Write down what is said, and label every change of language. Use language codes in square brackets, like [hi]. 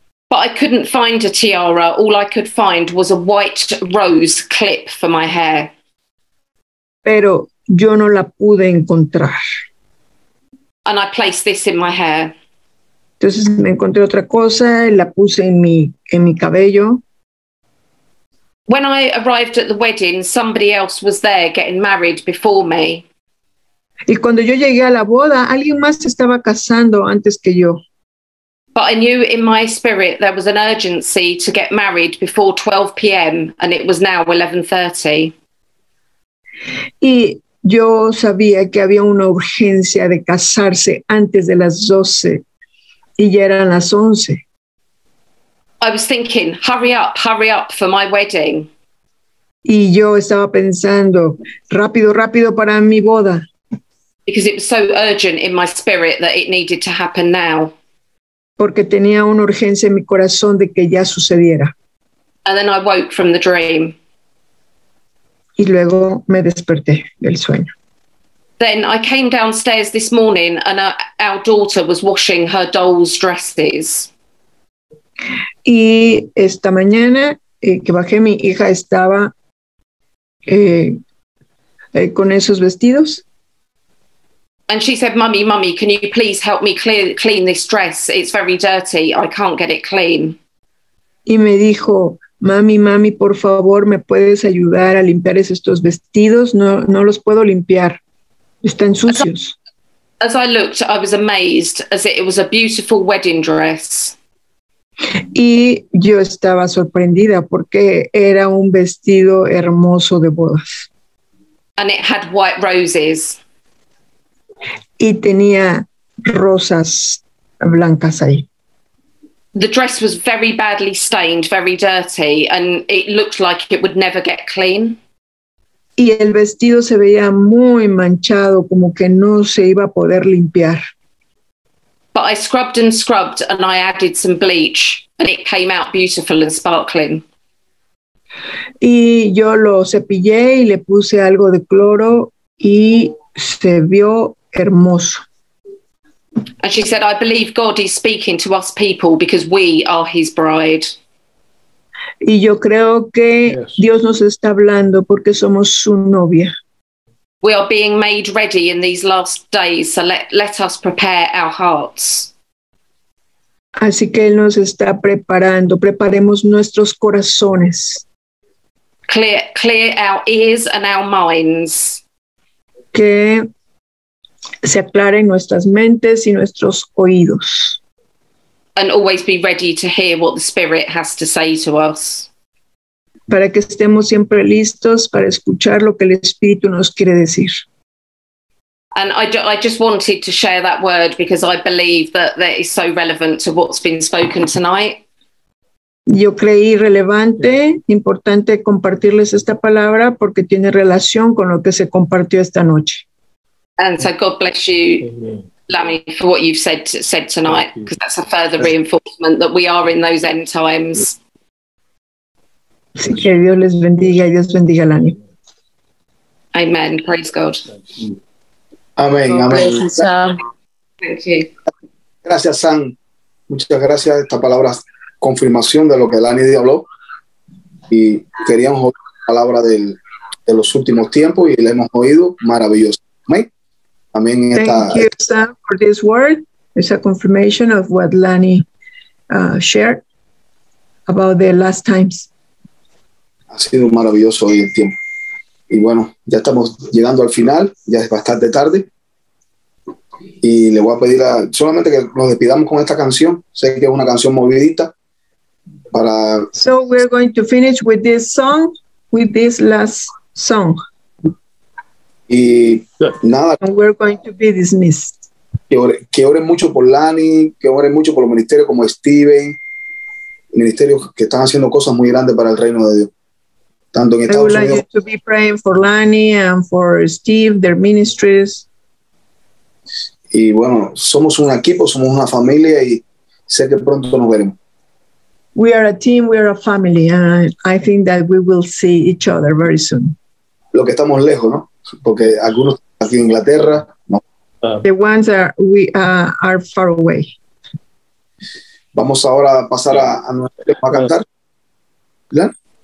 [en] But I couldn't find a tiara. All I could find was a white rose clip for my hair. [es] Pero yo no la pude encontrar. [en] And I placed this in my hair. [es] Entonces me encontré otra cosa y la puse en mi cabello. [en] When I arrived at the wedding, somebody else was there getting married before me. [es] Y cuando yo llegué a la boda, alguien más se estaba casando antes que yo. [en] But I knew in my spirit there was an urgency to get married before 12 p.m. and it was now 11:30. [es] Y yo sabía que había una urgencia de casarse antes de las 12 y ya eran las 11. [en] I was thinking, hurry up for my wedding. [es] Y yo estaba pensando, rápido, rápido para mi boda. [en] Because it was so urgent in my spirit that it needed to happen now. [es] Porque tenía una urgencia en mi corazón de que ya sucediera. [en] And then I woke from the dream. [es] Y luego me desperté del sueño. [en] Then I came downstairs this morning and our daughter was washing her doll's dresses. [es] Y esta mañana que bajé, mi hija estaba con esos vestidos. [en] And she said, Mummy, can you please help me clean this dress? It's very dirty. I can't get it clean. [es] Y me dijo, Mummy, por favor, ¿me puedes ayudar a limpiar estos vestidos? No los puedo limpiar. Están sucios. [en] As I looked, I was amazed as it was a beautiful wedding dress. [es] Y yo estaba sorprendida porque era un vestido hermoso de bodas. [en] And it had white roses. [es] Y tenía rosas blancas ahí. [en] The dress was very badly stained, very dirty, and it looked like it would never get clean. [es] Y el vestido se veía muy manchado, como que no se iba a poder limpiar. [en] But I scrubbed and scrubbed, and I added some bleach, and it came out beautiful and sparkling. [es] Y yo lo cepillé y le puse algo de cloro, y se vio hermoso. [en] And she said, I believe God is speaking to us people because we are his bride. [es] Y yo creo que Dios nos está hablando porque somos su novia. [en] We are being made ready in these last days, so let us prepare our hearts. [es] Así que Él nos está preparando, preparemos nuestros corazones. [en] Clear our ears and our minds. [es] Que se aclaren nuestras mentes y nuestros oídos. [en] And always be ready to hear what the Spirit has to say to us. [es] Para que estemos siempre listos para escuchar lo que el Espíritu nos quiere decir. [en] And I just wanted to share that word because I believe that is so relevant to what's been spoken tonight. [es] Yo creí relevante, importante compartirles esta palabra porque tiene relación con lo que se compartió esta noche. [en] And so God bless you, Lammy, for what you've said tonight, because that's a further reinforcement that we are in those end times. [es] Sí, que Dios les bendiga y Dios bendiga a Lani. [en] Amen. Praise God. [es] Amén, amén. Gracias, Sam. [en] Thank you. [es] Gracias, Sam. Muchas gracias. Esta palabra es confirmación de lo que Lani habló. Y queríamos oír la palabra de los últimos tiempos y la hemos oído. Maravilloso. Amén. Amén. [en] Thank you, Sam, for this word. It's a confirmation of what Lani shared about the last times. [es] Ha sido maravilloso hoy el tiempo. Y bueno, ya estamos llegando al final. Ya es bastante tarde. Y le voy a pedir solamente que nos despidamos con esta canción. Sé que es una canción movidita. Para... [en] So we're going to finish with this song, with this last song. [es] Y nada. [en] And we're going to be dismissed. [es] Que ore mucho por Lani, que ore mucho por los ministerios como Steven. Ministerios que están haciendo cosas muy grandes para el reino de Dios. Tanto en Estados [en] I would like [es] Unidos. [en] You to be praying for Lani and for Steve, their ministries. [es] Y bueno, somos un equipo, somos una familia y sé que pronto nos veremos. [en] We are a team, we are a family, and I think that we will see each other very soon. [es] Lo que estamos lejos, ¿no? Porque algunos aquí en Inglaterra, no. [en] The ones are far away. [es] Vamos ahora a pasar a cantar. ¿Lan?